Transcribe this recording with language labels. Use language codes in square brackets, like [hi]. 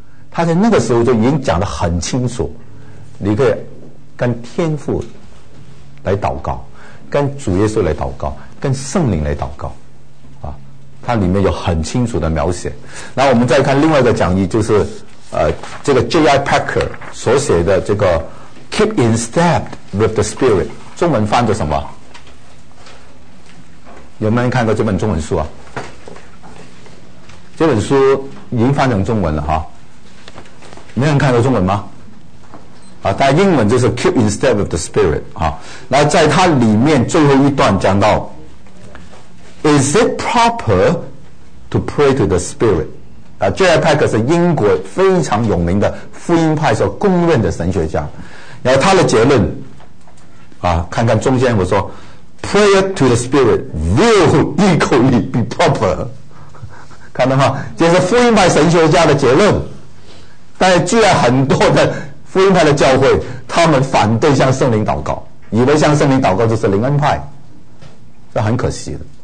[zh] 他在那个时候就已经讲得很清楚，你可以跟天父来祷告，跟主耶稣来祷告，跟圣灵来祷告，啊，它里面有很清楚的描写。那我们再看另外一个讲义，就是这个 J.I. Packer 所写的这个 [en] Keep in step with the Spirit， [zh] 中文翻作什么？有没有人看过这本中文书啊？这本书已经翻成中文了哈，没有人看过中文吗？啊，但英文就是 [en] Keep in step with the Spirit 啊。 [zh] 那在它里面最后一段讲到 [en] Is it proper to pray to the Spirit？啊 ，J.I. [zh] Packer 是英国非常有名的福音派所公认的神学家，然后他的结论啊，看看中间我说 [en] Prayer to the Spirit will equally be proper， [zh] 看到吗？这是福音派神学家的结论，但是居然很多的福音派的教会他们反对向圣灵祷告，以为向圣灵祷告就是灵恩派，这很可惜的。